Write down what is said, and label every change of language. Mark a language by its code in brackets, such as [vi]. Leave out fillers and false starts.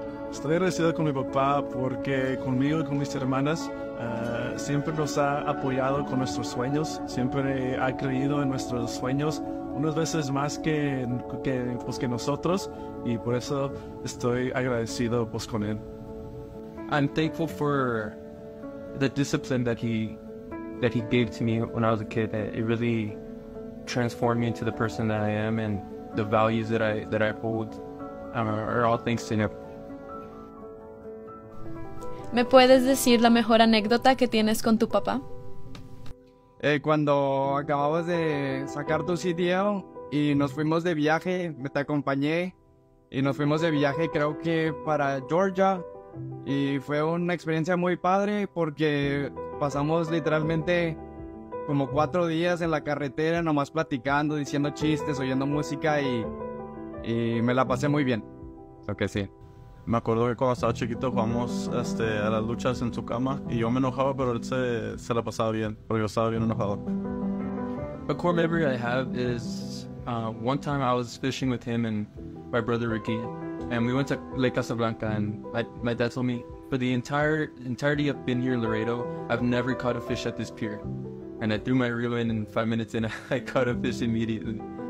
[es] Estoy agradecido con mi papá porque conmigo y con mis hermanas siempre nos ha apoyado con nuestros sueños. Siempre ha creído en nuestros sueños, unas veces más que nosotros. Y por eso estoy agradecido pues, con él. [en] I'm thankful for the discipline that he gave to me when I was a kid. It really transformed me into the person that I am, and the values that I hold are all thanks to him. [es] ¿Me puedes decir la mejor anécdota que tienes con tu papá? Cuando acababas de sacar tu CDL y nos fuimos de viaje, me te acompañé. Y nos fuimos de viaje, creo que para Georgia. Y fue una experiencia muy padre porque pasamos literalmente como 4 días en la carretera, nomás platicando, diciendo chistes, oyendo música y me la pasé muy bien. Creo que sí. Me acuerdo que cuando estaba chiquito jugamos a las luchas en su cama y yo me enojaba, pero él se la pasaba bien, porque yo estaba bien enojado. [en] A core memory I have is one time I was fishing with him and my brother Ricky, and we went to Lake Casablanca, and my dad told me, for the entirety of being here in Laredo, I've never caught a fish at this pier. And I threw my reel in, and 5 minutes in, I caught a fish immediately.